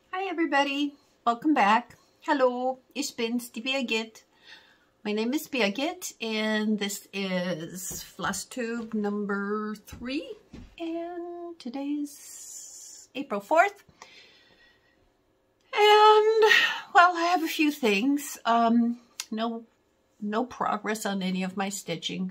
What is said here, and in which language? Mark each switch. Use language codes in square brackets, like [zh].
[en] Everybody, welcome back. [de] Hello, ich bin's, die Birgit. [en] My name is Birgit, and this is Flosstube number 3. And today's April 4th. And, well, I have a few things. No progress on any of my stitching.